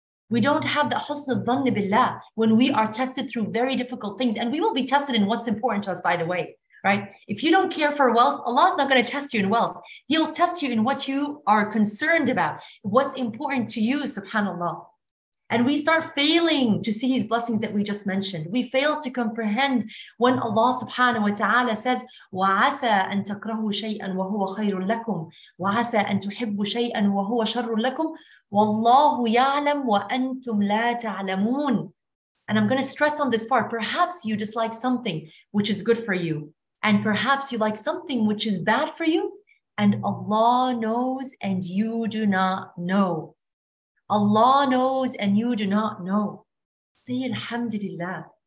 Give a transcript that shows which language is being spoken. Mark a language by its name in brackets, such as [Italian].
[English] We don't have that husn al-dhanni billah when we are tested through very difficult things. And we will be tested in what's important to us, by the way. Right? If you don't care for wealth, Allah is not going to test you in wealth. He'll test you in what you are concerned about, what's important to you, subhanAllah. And we start failing to see his blessings that we just mentioned. We fail to comprehend when Allah subhanahu wa ta'ala says, [Arabic] وَعَسَىٰ أَن تَكْرَهُوا شَيْئًا وَهُوَ خَيْرٌ لَكُمْ وَعَسَىٰ أَن تُحِبُّوا شَيْئًا وَهُوَ شَرٌ لَكُمْ وَاللَّهُ يَعْلَمْ وَأَنْتُمْ لَا تَعْلَمُونَ. [English] And I'm going to stress on this part. Perhaps you dislike something which is good for you. And perhaps you like something which is bad for you. And Allah knows and you do not know. Allah knows and you do not know. Say alhamdulillah.